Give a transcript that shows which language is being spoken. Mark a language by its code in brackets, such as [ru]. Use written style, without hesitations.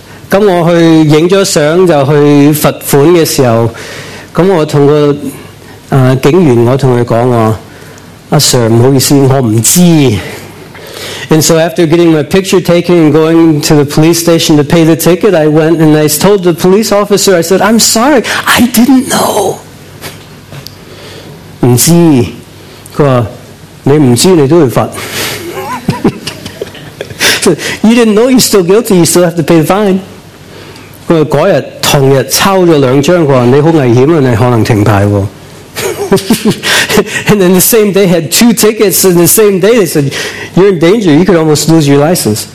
[yue] 咁我去影咗相就去罰款嘅時候，咁我同個警員，我同佢講話：阿 Sir， 唔好意思，我唔知。 [en] And so after getting my picture taken and going to the police station to pay the ticket, I went and I told the police officer, I said, "I'm sorry, I didn't know." [yue] 唔知佢話你唔知你都會罰。 [en] You didn't know you're still guilty, you still have to pay the fine. [yue] 佢話嗰日同日抄咗兩張，佢話你好危險啊，你可能停牌喎。 [en] And then the same day had two tickets, and the same day they said you're in danger, you could almost lose your license.